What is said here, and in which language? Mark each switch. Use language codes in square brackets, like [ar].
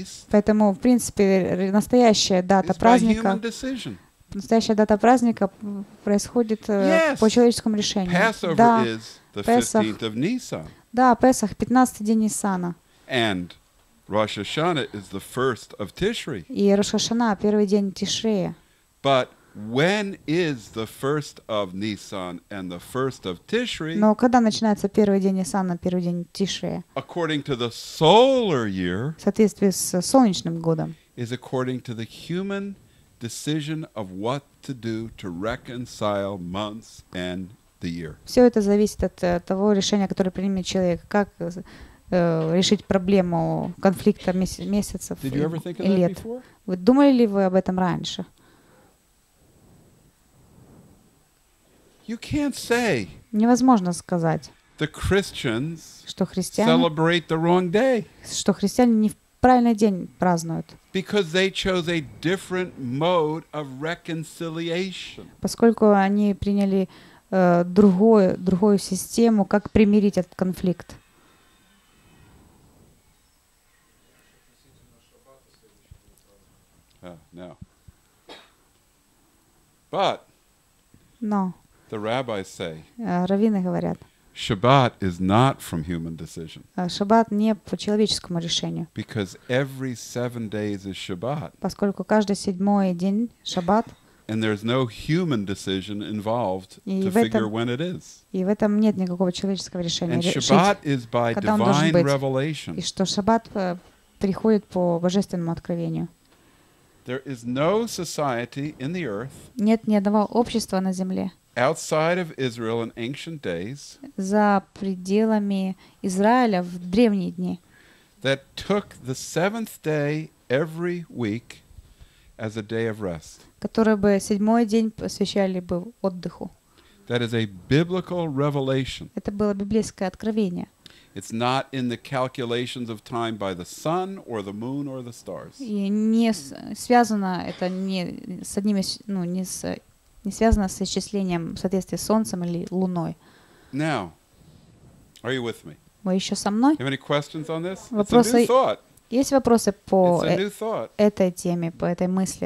[ru] Поэтому, в принципе, настоящая дата праздника, настоящая дата праздника происходит по человеческому решению. [en] Passover [ru] да, [en] is the 15th of Nisan. [ru] Да, Песах 15-й день Нисана. [en] And Rosh Hashanah is the first of Tishri. [ru] И Рош ха-Шана первый день Тишрея. [en] But when is the first of Nisan and the first of Tishri? [ru] Но когда начинается первый день Нисана, первый день Тишрея? [en] According to the solar year. [ru] В соответствии с солнечным годом. [en] Is according to the human decision of what to do to reconcile months and the year. [ru] Все это зависит от того решения, которое принимает человек, как решить проблему конфликта месяцев [en] Did you ever think [ru] и лет. [en] Of that before? [ru] Вы думали ли вы об этом раньше? [en] You can't say. [ru] Невозможно сказать. [en] The Christians [ru] что христиане, [en] celebrate the wrong day. [ru] Что христиане не в правильный день празднуют. [en] Because they chose a different mode of reconciliation. [ru] Поскольку они приняли другую систему, как примирить этот конфликт. [en] No. But. [ru] Но. [en] The rabbis say. [ru] Раввины говорят. [en] Shabbat is not from human decision. [ru] Шаббат не по человеческому решению. [en] Because every 7 days is Shabbat. [ru] Поскольку каждый седьмой день Шаббат. [en] And there's no human decision involved to figure when it is. [ru] И в этом нет никакого человеческого решения. [en] And Shabbat is by divine revelation. [ru] И что Шаббат приходит по божественному откровению. [en] There is no society in the earth. [ru] Нет ни одного общества на земле. [en] outside of Israel in ancient days, [ru] за пределами Израиля в древние дни, [en] that took the seventh day every week as a day of rest, [ru] которые бы седьмой день посвящали бы отдыху. [en] That is a biblical revelation. [ru] Это было библейское откровение. [en] It's not in the calculations of time by the sun or the moon or the stars. [ru] И не связано это не с одним, ну, не с не связано с исчислением в соответствии с солнцем или луной. [en] Now, are you with me? [ru] Вы еще со мной? [en] Have any questions on this? [ru] Вопросы. [en] It's a new thought. [ru] Есть вопросы по этой теме, по этой мысли.